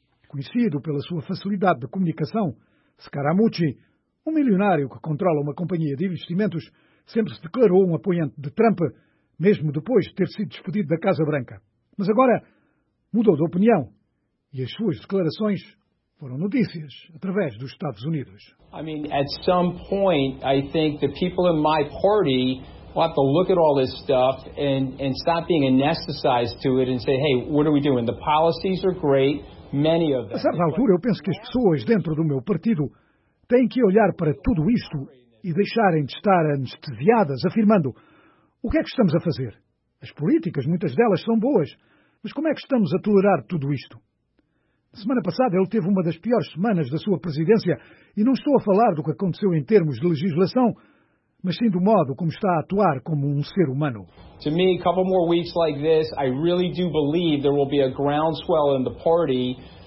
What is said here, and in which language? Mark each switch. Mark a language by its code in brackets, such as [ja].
[pt] Conhecido pela sua facilidade de comunicação, Scaramucci, um milionário que controla uma companhia de investimentos, sempre se declarou um apoiante de Trump, mesmo depois de ter sido despedido da Casa Branca. Mas agora mudou de opinião. E as suas declarações foram notícias através dos Estados Unidos. [en] I mean, at some point, I think the people in my party will have to look at all this stuff and stop being anesthetized to it and say, hey, what are we doing? The policies are great, many of them. [pt] A certa altura, eu penso que as pessoas dentro do meu partido têm que olhar para tudo isto e deixarem de estar anestesiadas, afirmando: o que é que estamos a fazer? As políticas, muitas delas, são boas, mas como é que estamos a tolerar tudo isto? Semana passada ele teve uma das piores semanas da sua presidência e não estou a falar do que aconteceu em termos de legislação, mas sim do modo como está a atuar como um ser humano. [en] To me, a couple more weeks like this, I really do believe there will be a groundswell in the party.